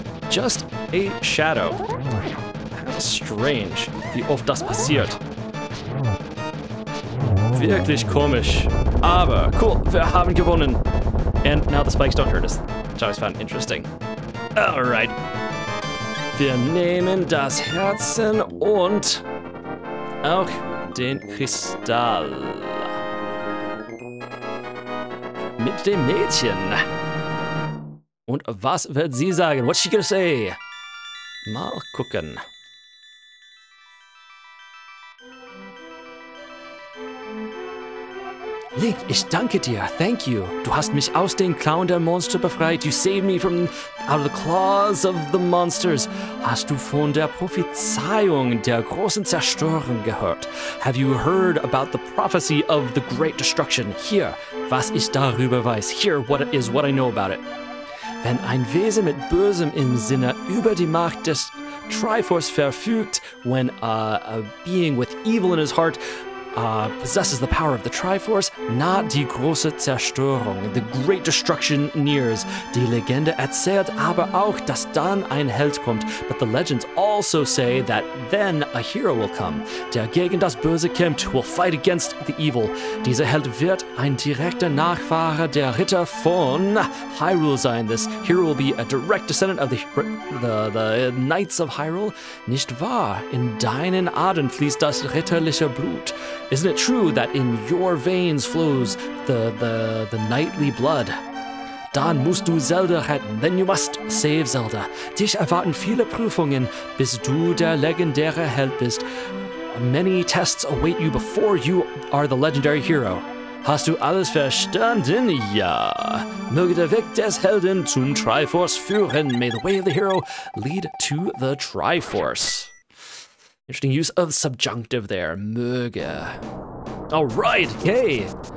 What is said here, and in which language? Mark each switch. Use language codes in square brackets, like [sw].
[en] Just a shadow. How strange, [de] wie oft das passiert. Wirklich komisch. Aber cool, wir haben gewonnen. [en] And now the spikes don't hurt us, which I always found interesting. Alright. [de] Wir nehmen das Herzen und auch den Kristall. Mit dem Mädchen. Und was wird sie sagen? [en] What's she gonna say? [de] Mal gucken. Link, ich danke dir. [en] Thank you. [de] Du hast mich aus den Klauen der Monster befreit. [en] You saved me from out of the claws of the monsters. [de] Hast du von der Prophezeiung der großen Zerstörung gehört? [en] Have you heard about the prophecy of the great destruction? Here, [de] was ich darüber weiß. [en] Here, what I know about it. [de] Wenn ein Wesen mit Bösem im Sinne über die Macht des Triforce verfügt, [en] when a being with evil in his heart possesses the power of the Triforce, [de] naht die große Zerstörung, [en] the great destruction nears. [de] Die Legende erzählt aber auch, dass dann ein Held kommt, [en] but the legends also say that then a hero will come, [de] der gegen das Böse kämpft, [en] will fight against the evil. [de] Dieser Held wird ein direkter Nachfahre der Ritter von Hyrule sein. [en] This hero will be a direct descendant of the Knights of Hyrule. [de] Nicht wahr? In deinen Adern fließt das ritterliche Blut. [en] Isn't it true that in your veins flows the knightly blood? [de] Dann musst du Zelda retten. [en] Then you must save Zelda. [de] Dich erwarten viele Prüfungen, bis du der legendäre Held bist. [en] Many tests await you before you are the legendary hero. [de] Hast du alles verstanden? Ja. Möge der Weg des Helden zum Triforce führen. [en] May the way of the hero lead to the Triforce. Interesting use of subjunctive there. Möge. Alright, okay.